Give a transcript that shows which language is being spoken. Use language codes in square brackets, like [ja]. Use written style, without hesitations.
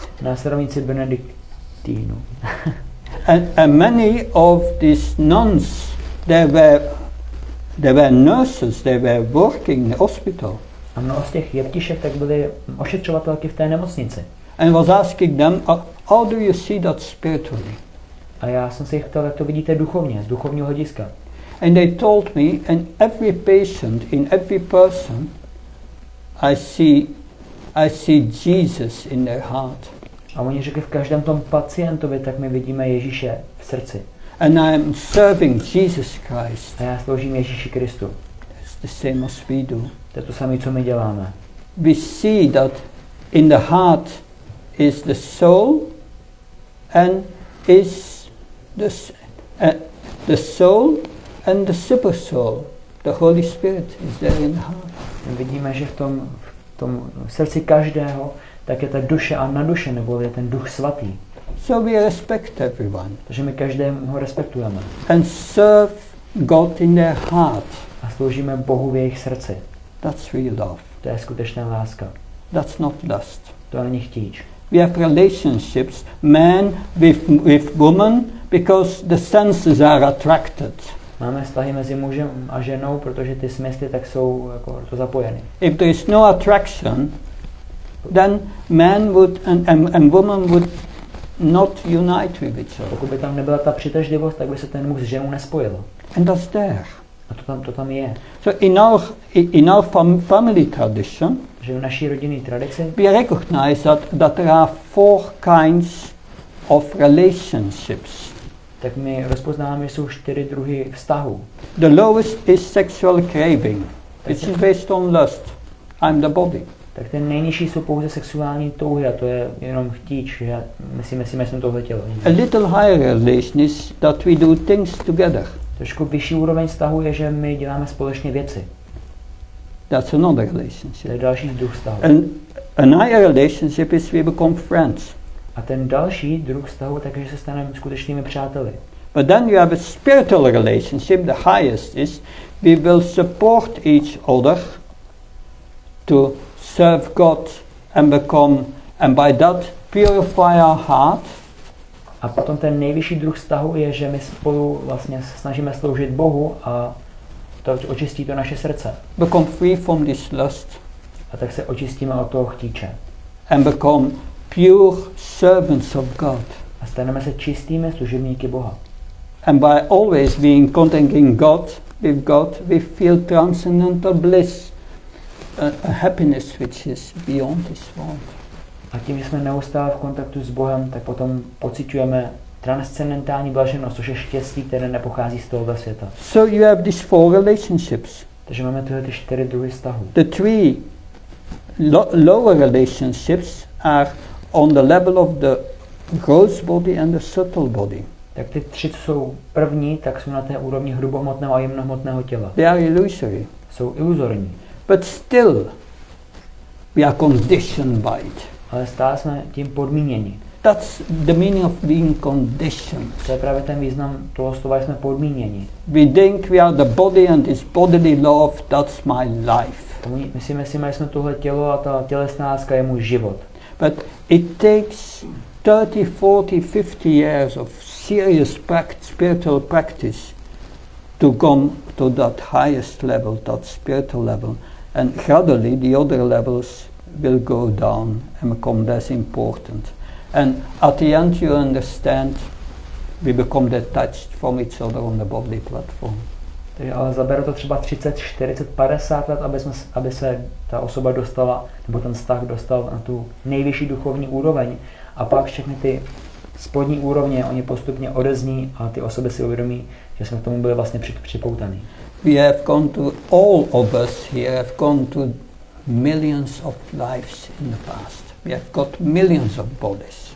[cs] Následovníci benediktínů. [en] and many of these nuns, they were nurses, they were working in the hospital. [cs] A mnoho z těch jeptišek tak byly ošetřovatelky v té nemocnici. [en] And was asking them, how do you see that spiritually? [cs] A já jsem se jich ptal, jak to vidíte duchovně, z duchovního hlediska. [en] And they told me, and every patient, in every person, I see Jesus in their heart. [cs] A oni řekli, v každém tom pacientovi, tak my vidíme Ježíše v srdci. [en] And I am serving Jesus Christ. [cs] A já sloužím Ježíši Kristu. [en] It's the same as we do. [cs] To je to samé, co my děláme. [en] We see that in the heart is the soul and is the soul and the super soul, the Holy Spirit is there in the heart. [cs] My vidíme, že v tom srdci každého tak je ta duše a na duše, nebo je ten duch svatý. [en] So we respect everyone. [cs] Takže my každého respektujeme. [en] And serve God in their heart. [cs] A sloužíme Bohu v jejich srdci. [en] That's real love. [cs] To je skutečná láska. [en] That's not lust. [cs] To není chtíč. [en] We have relationships, man with woman, because the senses are attracted. [cs] Máme vztahy mezi mužem a ženou, protože ty smysly tak jsou jako to zapojeny. [en] If there is no attraction, then man would and woman would not unite with each other. [cs] Pokud by tam nebyla ta přitažlivost, tak by se ten muž s ženou nespojil. [en] And that's there. [cs] A to tam je. [en] So in our family tradition, [cs] že v naší rodinné tradici, [en] we recognize that there are four kinds of relationships. [cs] tak my rozpoznáváme, že jsou čtyři druhy vztahu. [en] The lowest is sexual craving. It is based on lust. I'm the body. [cs] Tak ten nejnižší jsou pouze sexuální touhy, a to je jenom chtíč, že myslíme, že jsme tohle tělo. [en] A little higher relation is that we do things together. [cs] Trošku vyšší úroveň vztahu je, že my děláme společně věci. [en] That's another relationship. [cs] To je další druh vztahu. [en] And a higher relationship is we become friends. [cs] A ten další druh vztahu tak je, že se staneme skutečnými přáteli. [en] But then you have a spiritual relationship, the highest is we will support each other to serve God and become, and by that purify our heart. [cs] A potom ten nejvyšší druh vztahu je, že my spolu vlastně snažíme sloužit Bohu a to očistí to naše srdce. [en] Become free from this lust. [cs] A tak se očistíme od toho chtíče. [en] And become pure servants of God. [cs] A staneme se čistými služebníky Boha. [en] And by always being contacting God, with God, we feel transcendental bliss, a happiness which is beyond this world. [cs] A tím, že jsme neustále v kontaktu s Bohem, tak potom pociťujeme transcendentální blaženost, což je štěstí, které nepochází z tohoto světa. [en] So you have these four relationships. [cs] Takže máme tyhle ty čtyři druhy vztahu. [en] The three lower relationships are on the level of the gross body and the subtle body. [cs] Tak ty tři, co jsou první, tak jsou na té úrovni hrubohmotného a jemnohmotného těla. [en] They are illusory. [cs] Jsou iluzorní. [en] But still, we are conditioned by it. [cs] Ale stále jsme tím podmíněni. [en] That's the meaning of being conditioned. [cs] To je právě ten význam toho slova, jsme podmíněni. [en] We think we are the body and this bodily love, that's my life. [cs] Myslíme si, že jsme tohle tělo a ta tělesná láska je můj život. [en] But it takes 30, 40, 50 years of serious spiritual practice to come to that highest level, that spiritual level, and gradually the other levels will go down and become less important. And at the end you understand we become detached from each other on the bodily platform. [cs] Ale zabere to třeba 30, 40, 50 let, aby se ta osoba dostala, nebo ten vztah dostal na tu nejvyšší duchovní úroveň. A pak všechny ty spodní úrovně, oni postupně odezní a ty osoby si uvědomí, že jsme k tomu byli vlastně připoutaný. [en] We have gone to, all of us here have gone to millions of lives in the past. We have got millions of bodies.